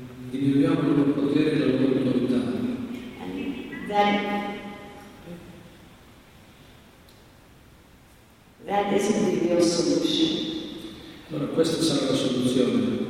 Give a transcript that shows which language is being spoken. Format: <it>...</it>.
<it>Diminuiamo il loro potere e la loro autorità.</it> <en>That isn't the real solution.</en> <it>Allora questa sarà la soluzione.</it>